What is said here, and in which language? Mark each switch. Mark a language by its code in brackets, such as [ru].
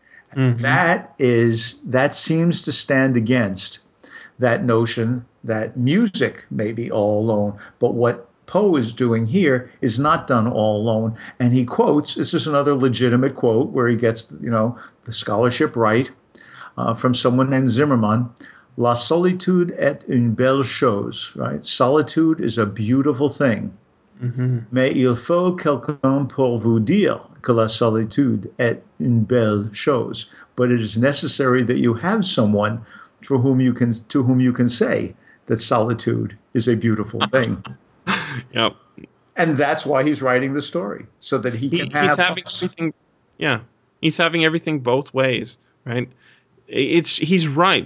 [en] And that seems to stand against that notion that music may be all alone, but what Poe is doing here is not done all alone. And he quotes, this is another legitimate quote where he gets, you know, the scholarship right, from someone named Zimmerman, [fr] "La solitude est une belle chose," [en] right? Solitude is a beautiful thing. [fr] "Mais il faut quelqu'un pour vous dire que la solitude est une belle chose." [en] But it is necessary that you have someone for whom you can, to whom you can say that solitude is a beautiful thing. Yep. And that's why he's writing the story, so that he can have. He's having everything both ways, right? He's right.